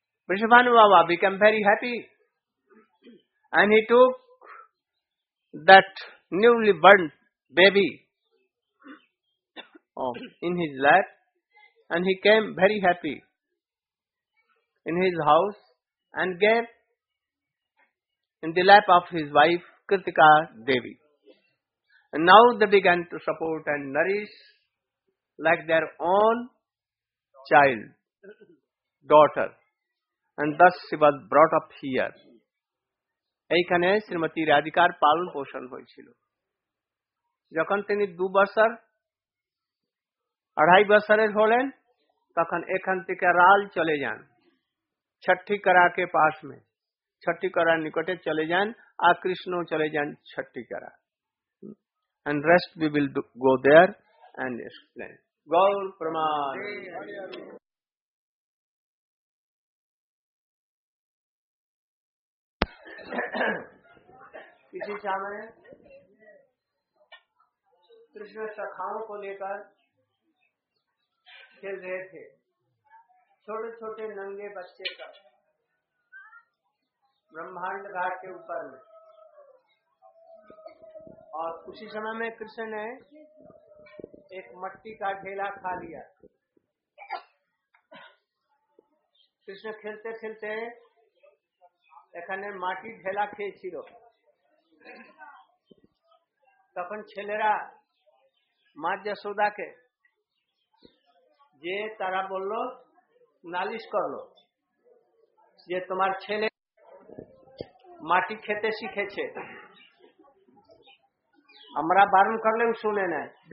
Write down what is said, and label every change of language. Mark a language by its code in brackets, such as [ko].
[en] Vrishabhanu Baba became very happy. And he took that newly born baby in his lap, and he came very happy in his house and gave in the lap of his wife Kritika Devi. And now they began to support and nourish like their own child, daughter. And thus she was brought up here. [bn] এইখানে শ্রীমতী রাধিকার পালন পোষণ হয়েছিল। যখন তিনি দু বছর আড়াই বছরের হলেন, তখন এখান থেকে রাল চলে যান, ছট্টিকরাকে পাশ মে, ছট্টিকরার নিকটে চলে যান, আর কৃষ্ণ চলে যান ছট্টিকরা। [en] And rest we will go there and explain. Gaur Praman. [hi] किसी समय कृष्ण सखाओं को लेकर खेल रहे थे, छोटे छोटे नंगे बच्चे का ब्रह्मांड घाट के ऊपर में। और उसी समय में कृष्ण ने एक मट्टी का ढेला खा लिया। कृष्ण खेलते खेलते [bn] এখানে মাটি ঢেলা খেয়েছিল, তখন ছেলেরা মা যশোদাকে যে তারা বলল, নালিশ করলো যে তোমার ছেলে মাটি খেতে শিখেছে, আমরা বারণ করলেও শুনে নেয়।